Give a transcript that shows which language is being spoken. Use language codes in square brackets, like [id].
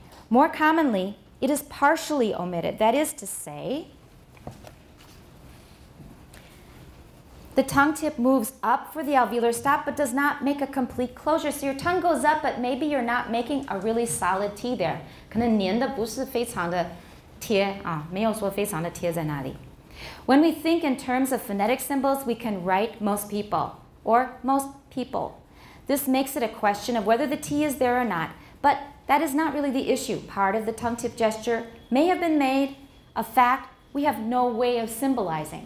[en] More commonly, it is partially omitted. That is to say, the tongue tip moves up for the alveolar stop but does not make a complete closure. So your tongue goes up, but maybe you're not making a really solid T there. [zh] 可能黏的不是非常的贴啊，没有说非常的贴在那里。 [en] When we think in terms of phonetic symbols, we can write most people or most people. This makes it a question of whether the T is there or not, but That is not really the issue. Part of the tongue tip gesture may have been made, a fact we have no way of symbolizing.